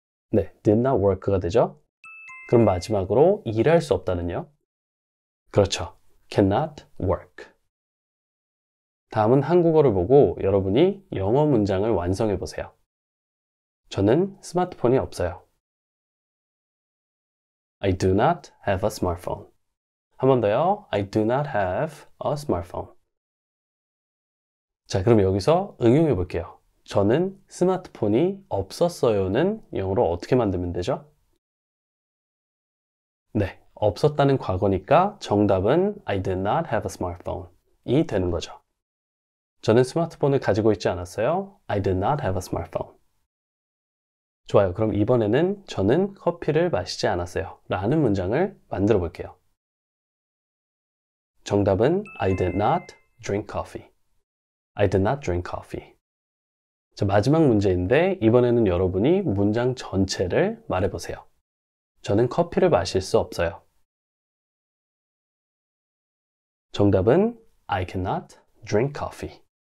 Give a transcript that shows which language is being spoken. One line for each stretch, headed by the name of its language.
Korean: 네, did not work가 되죠? 그럼 마지막으로 일할 수 없다는요? 그렇죠. cannot work. 다음은 한국어를 보고 여러분이 영어 문장을 완성해 보세요. 저는 스마트폰이 없어요.
English: I do not have a smartphone.
Korean: 한번 더요.
English: I do not have a smartphone.
Korean: 자, 그럼 여기서 응용해 볼게요. 저는 스마트폰이 없었어요는 영어로 어떻게 만들면 되죠? 네, 없었다는 과거니까 정답은
English: I did not have a smartphone
Korean: 이 되는 거죠. 저는 스마트폰을 가지고 있지 않았어요.
English: I did not have a smartphone.
Korean: 좋아요. 그럼 이번에는 저는 커피를 마시지 않았어요. 라는 문장을 만들어 볼게요. 정답은
English: I did not drink coffee. I did not drink coffee.
Korean: 자, 마지막 문제인데 이번에는 여러분이 문장 전체를 말해보세요. 저는 커피를 마실 수 없어요. 정답은
English: I cannot drink coffee.